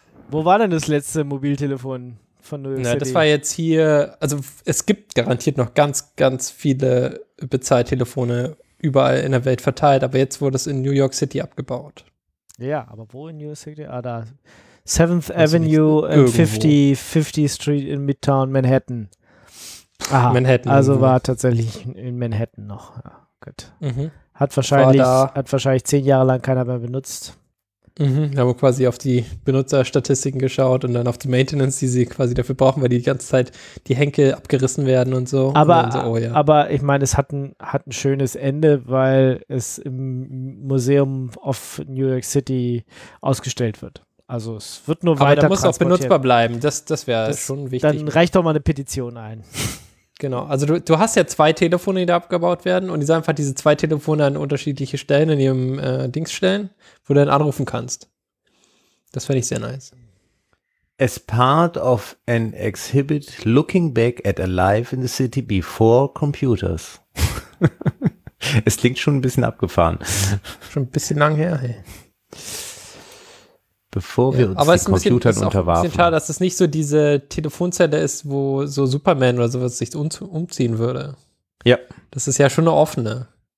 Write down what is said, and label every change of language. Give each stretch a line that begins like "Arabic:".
German: Wo war denn das letzte Mobiltelefon von New York City? Das war jetzt hier, also es gibt garantiert noch ganz, ganz viele Bezahltelefone überall in der Welt verteilt, aber jetzt wurde es in New York City abgebaut. Ja, aber wo in New York City? Ah, da.
English: 7th Avenue and 50 Street in Midtown, Manhattan.
German: Aha, Manhattan. Also war tatsächlich in Manhattan noch. Ja, gut. Mhm. Hat wahrscheinlich 10 Jahre lang keiner mehr benutzt. Mhm, haben quasi auf die Benutzerstatistiken geschaut und dann auf die Maintenance, die sie quasi dafür brauchen, weil die ganze Zeit die Henkel abgerissen werden und so. Aber, und so, oh ja. Aber ich meine, es hat ein schönes Ende, weil es im Museum of New York City ausgestellt wird. Also es wird nur aber weiter aber da muss auch benutzbar bleiben, das wäre schon wichtig. Dann reicht doch mal eine Petition ein. Genau, also du hast ja 2 Telefone, die da abgebaut werden und die sind einfach diese 2 Telefone an unterschiedliche Stellen in ihrem Dings stellen, wo du dann anrufen kannst. Das fände ich sehr nice.
English: As part of an exhibit looking back at a life in the city before computers.
German: Es klingt schon ein bisschen abgefahren. Schon ein bisschen lang her, hey. Bevor wir uns den Computern unterwarfen. Aber es ist ein bisschen schade, dass es nicht so diese Telefonzelle ist, wo so Superman oder sowas sich umziehen würde. Ja. Das ist ja schon eine offene.